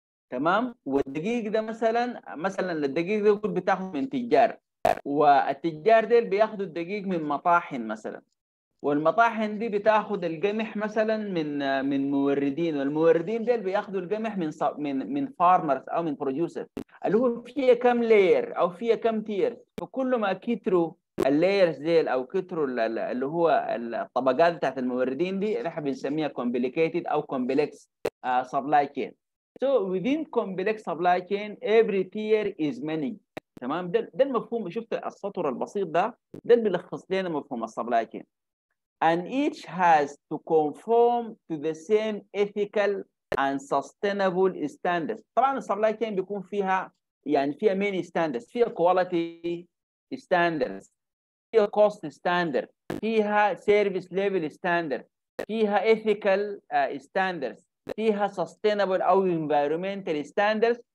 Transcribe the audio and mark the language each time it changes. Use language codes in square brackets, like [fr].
[ar] تمام، والدقيق ده مثلا الدقيق ده يقول بتاخده من تجار، والتجار ديل بياخدوا الدقيق من مطاحن مثلا، والمطاحن دي بتاخد القمح مثلا من موردين، والموردين ديل بياخدوا القمح من فارمرز او من بروديوسرز، اللي هو فيه كم لير او فيه كم تير. فكل ما كتروا اللايرز ديل او كتروا اللي هو الطبقات بتاعت الموردين دي احنا بنسميها complicated او complex supply chain. [en] So within complex supply chain every tier is many. [ar] تمام، ده المفهوم. شفت السطر البسيط ده بيلخص لنا مفهوم supply chain. [en] And each has to conform to the same ethical and sustainable standards. [ar] طبعا supply chain بيكون فيها يعني فيها many standards، فيها quality standards، فيها cost standard، فيها service level standard، فيها ethical standards، فيها sustainable أو environmental standards.